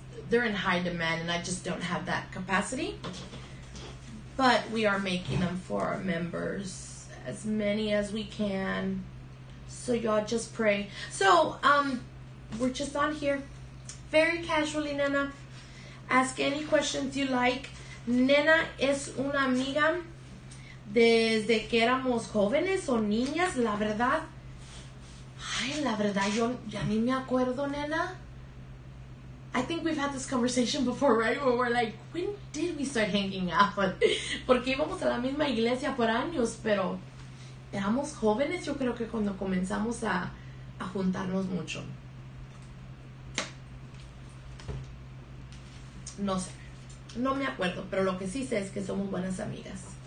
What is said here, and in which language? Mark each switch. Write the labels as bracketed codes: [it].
[en] They're in high demand, and I just don't have that capacity. But we are making them for our members, as many as we can. So y'all just pray. So we're just on here, very casually, Nena. Ask any questions you like. [es] Nena es una amiga desde que éramos jóvenes o niñas, la verdad. Ay, la verdad, yo ya ni me acuerdo, Nena. [en] I think we've had this conversation before, right? Where we're like, when did we start hanging out? [es] Porque íbamos a la misma iglesia por años, pero éramos jóvenes, yo creo que cuando comenzamos a juntarnos mucho. No sé. No me acuerdo, pero lo que sí sé es que somos buenas amigas.